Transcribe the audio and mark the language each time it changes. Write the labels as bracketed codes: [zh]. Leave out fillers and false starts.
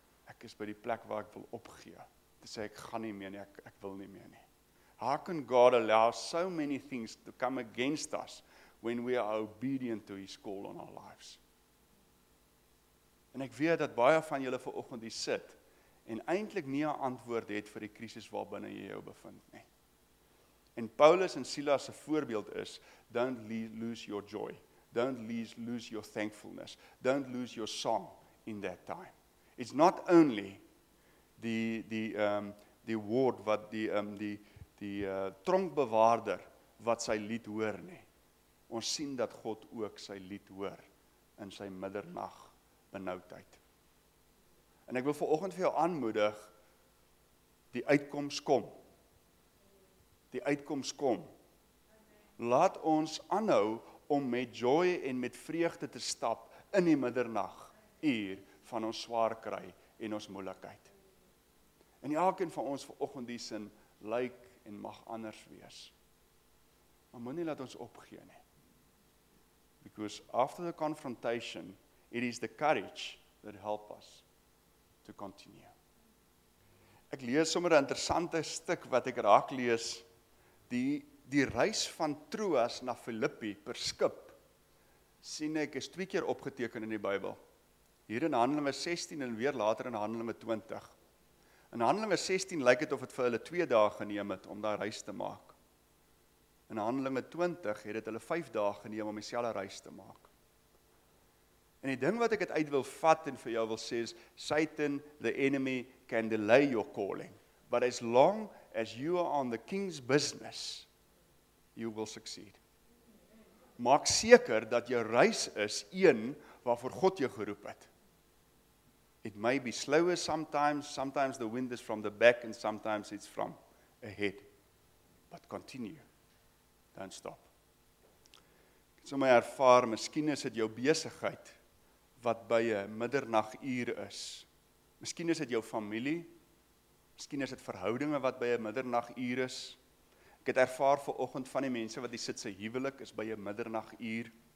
[af] Ek is by die plek waar ek wil opgee, te sê ek gaan nie meer nie, ek wil nie meer nie. [en] How can God allow so many things to come against us when we are obedient to His call on our lives? [af] En ek weet dat baie van julle vanoggend hier sit en eintlik nie 'n antwoord het vir die krisis waarbinne jy jou bevind nie. En Paulus en Silas se voorbeeld is, [en] don't lose your joy. Don't lose your thankfulness. Don't lose your song in that time. It's not only [af] die woord wat die tronkbewaarder wat sy lied hoor nie. Ons sien dat God ook sy lied hoor in sy middernag benoudheid. En ek wil vanoggend vir jou aanmoedig, die uitkoms kom. Die uitkoms kom. Laat ons aanhou om met joy en met vreugde te stap in die middernag uur van ons swaar kry en ons moeilikheid. En elkeen van ons vanoggend die sin lyk en mag anders wees. Maar moenie laat ons opgee nie. [en] Because after the confrontation, it is the courage that help us to continue. [af] Ek lees sommer 'n interessante stuk wat ek raak lees. Die reis van Troas na Filippi per skip, sien ek, is 2 keer opgeteken in die Bybel. Hier in Handelinge 16 en weer later in Handelinge 20. In Handelinge 16 lyk het of het vir hulle 2 dae geneem het om daar reis te maak. In Handelinge 20 het het hulle 5 dae geneem om dieselfde reis te maak. En die ding wat ek het uit wil vat en vir jou wil sê is, [en] Satan, the enemy, can delay your calling. But as long as you are on the king's business, you will succeed. [af] Maak seker dat jou reis is een waarvoor God jou geroep het. [en] It may be slower sometimes the wind is from the back and sometimes it's from ahead. But continue, don't stop. [af] So my ervaar, miskien is dit jou besigheid, wat by 'n middernaguur is. Miskien is dit jou familie, miskien is dit verhoudinge wat by 'n middernaguur is. Ek het ervaar vanoggend van die mense wat hier sit, sy huwelik is by 'n middernaguur.